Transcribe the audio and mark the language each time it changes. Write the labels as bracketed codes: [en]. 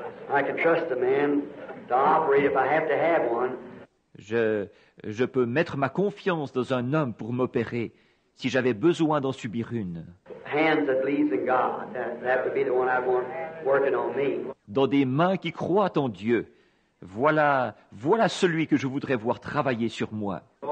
[en] I can trust the man to operate if I have to have one. [fr] Je peux mettre ma confiance dans un homme pour m'opérer si j'avais besoin d'en subir une. [en] Hands that believe in God, that would be the one I want working on me. [fr] Dans des mains qui croient en Dieu. Voilà celui que je voudrais voir travailler sur moi.